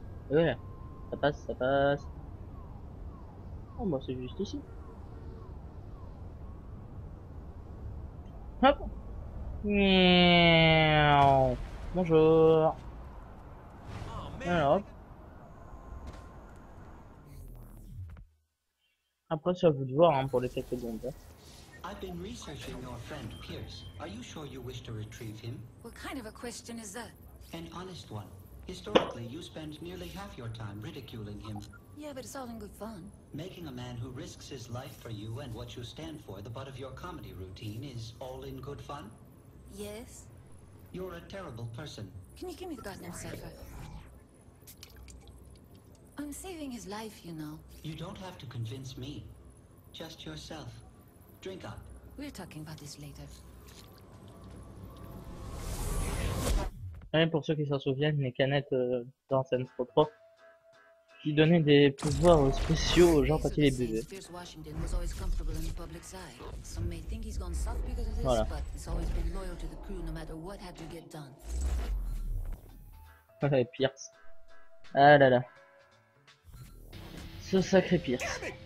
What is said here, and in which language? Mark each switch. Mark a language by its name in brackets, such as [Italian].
[French] Ouais, ça passe. Oh bah c'est juste ici, hop. Miaou. Bonjour. Alors, hop. Après, c'est à vous de voir hein, pour les 4 secondes. [English] I've been researching your friend Pierce. Are you sure you wish to retrieve him? What kind of a question is that? An honest one. Historically, you spend nearly half your time ridiculing him. Yeah, but it's all in good fun. Making a man who risks his life for you and what you stand for the butt of your comedy routine is all in good fun? Yes. You're a terrible person. Can you give me the goddamn cipher? I'm saving his life, you know. You don't have to convince me. Just yourself. Drink up. We're talking about this later. [French] Et pour ceux qui s'en souviennent, les canettes dans Saints Row 3 qui donnaient des pouvoirs spéciaux aux gens quand ils les buvaient. [English] Pierce Washington was always comfortable in the public's eye. Some may think he's gone soft because of this, voilà. But he's always been loyal to the crew no matter what had to get done. [French] Ouais, Pierce. Ah là là. Ce sacré Pierce.